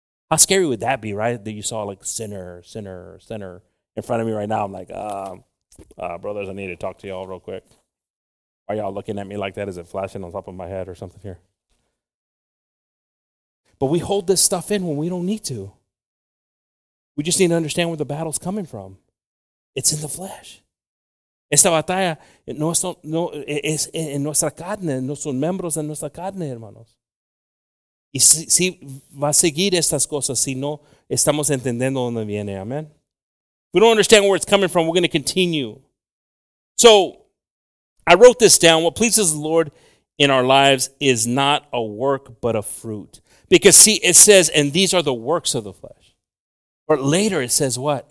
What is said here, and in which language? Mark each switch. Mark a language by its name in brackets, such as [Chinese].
[English] How scary would that be, right? That you saw like sinner in front of me right now. I'm like, brothers, I need to talk to y'all real quick. Why are y'all looking at me like that? Is it flashing on top of my head or something here? But we hold this stuff in when we don't need to. We just need to understand where the battle's coming from. It's in the flesh. [Spanish] Esta batalla no es en nuestra carne, no son miembros de nuestra carne, hermanos. Y si va a seguir estas cosas si no estamos entendiendo dónde viene, amen. [English] If we don't understand where it's coming from, we're going to continue. So I wrote this down. What pleases the Lord in our lives is not a work but a fruit. Because see, it says, and these are the works of the flesh. But later it says what?